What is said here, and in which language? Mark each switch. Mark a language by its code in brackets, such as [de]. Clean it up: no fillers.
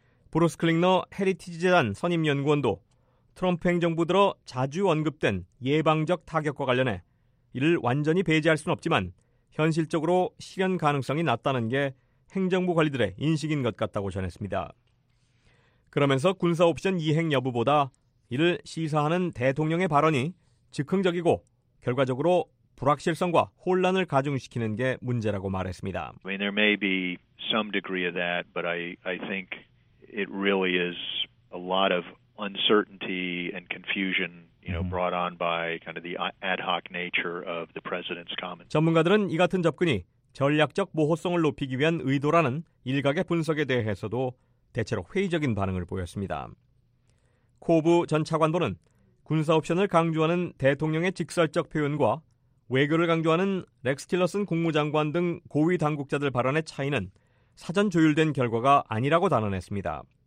[ko] 브루스 클링너 헤리티지 재단 선임 연구원도 트럼프 행정부 들어 자주 언급된 예방적 타격과 관련해 이를 완전히 배제할 수는 없지만 현실적으로 실현 가능성이 낮다는 게 행정부 관리들의 인식인 것 같다고 전했습니다. 그러면서 군사 옵션 이행 여부보다 이를 시사하는 대통령의 발언이 즉흥적이고 결과적으로 불확실성과 혼란을 가중시키는 게 문제라고 말했습니다. [en] I mean, there may be some degree of that, but I think it really is a lot of uncertainty and confusion, you know, brought on by kind of the ad hoc nature of the president's comment. [ko] 전문가들은 이 같은 접근이 전략적 모호성을 높이기 위한 의도라는 일각의 분석에 대해서도 대체로 회의적인 반응을 보였습니다. 코브 전 차관보는 군사 옵션을 강조하는 대통령의 직설적 표현과 외교를 강조하는 렉스 틸러슨 국무장관 등 고위 당국자들 발언의 차이는 사전 조율된 결과가 아니라고 단언했습니다.